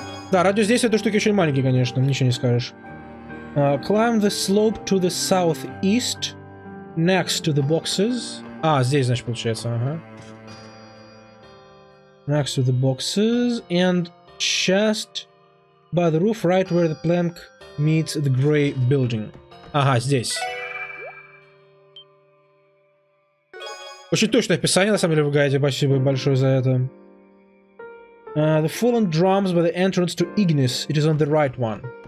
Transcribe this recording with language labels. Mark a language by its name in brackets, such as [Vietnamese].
[Russian] Да, радиус здесь этой штуки очень маленький, конечно, ничего не скажешь. [English] Climb the slope to the southeast, next to the boxes. [Russian] А, здесь, значит, получается, ага. [English] Next to the boxes, and chest by the roof, right where the plank meets the gray building. [Russian] Ага, здесь. Очень точное описание, на самом деле, в гайде, спасибо большое за это. [English] The fallen drums by the entrance to Ignis, it is on the right one.